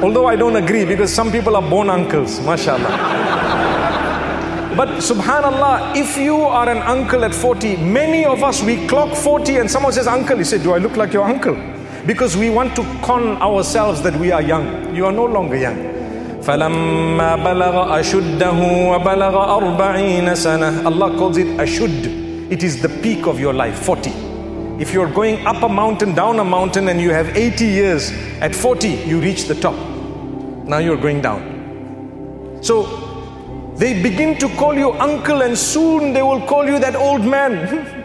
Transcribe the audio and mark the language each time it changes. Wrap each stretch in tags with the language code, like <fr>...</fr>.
<en>Although I don't agree, because some people are born uncles. Mashallah. But subhanallah, if you are an uncle at 40, many of us, we clock 40 and someone says, uncle, you say, do I look like your uncle? Because we want to con ourselves that we are young. You are no longer young.</en> <ar>فلما بلغ أشده وبلغ أربعين سنة.</ar> <en>Allah calls it أشد. It is the peak of your life, 40. If you're going up a mountain, down a mountain, and you have 80 years, at 40, you reach the top. Now you're going down. So they begin to call you uncle, and soon they will call you that old man.</en>